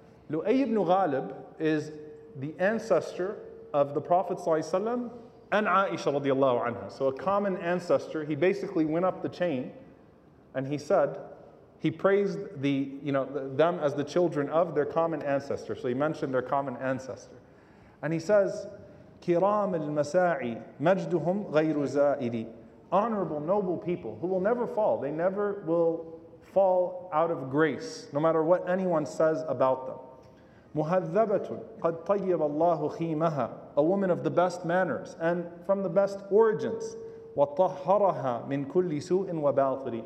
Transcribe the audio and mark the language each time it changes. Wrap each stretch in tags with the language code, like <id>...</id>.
<en>لُؤَيِّ بْنُ غَالِبٍ is the ancestor of the Prophet ﷺ and Aisha radiallahu anha. So a common ancestor. He basically went up the chain. And he said, he praised them as the children of their common ancestor. So he mentioned their common ancestor. And he says,</en> <ar>كرام المساعي مجدهم غير زائري.</ar> <en>Honorable, noble people who will never fall. They never will fall out of grace, no matter what anyone says about them.</en> <ar>مهذبة قد طيب الله خيمها.</ar> <en>A woman of the best manners and from the best origins.</en> <ar>وَطَهَّرَهَا مِنْ كُلِّ سُوءٍ وَبَاطِلِ.</ar>